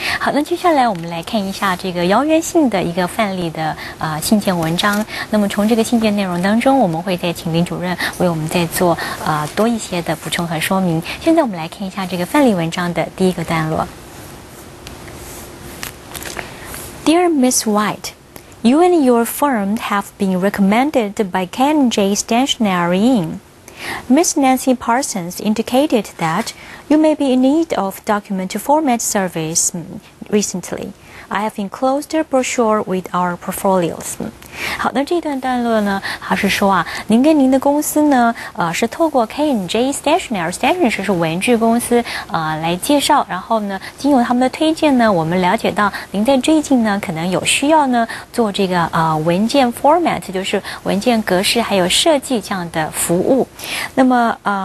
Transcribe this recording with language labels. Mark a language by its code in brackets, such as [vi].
[zh] 好，那接下来我们来看一下这个邀约信的一个范例的信件文章。那么从这个信件内容当中，我们会再请林主任为我们再做多一些的补充和说明。现在我们来看一下这个范例文章的第一个段落。 [en] Dear Miss White,You and your firm have been recommended by K&J Stationery Inc. Ms. Nancy Parsons indicated that you may be in need of document format service recently. I have enclosed a brochure with our portfolios. [zh] 好，那这段段落呢还是说啊，您跟您的公司呢是透过 K&J Stationery 是文具公司来介绍，然后呢经由他们的推荐呢，我们了解到您在最近呢可能有需要呢做这个文件 format， 就是文件格式还有设计这样的服务。那么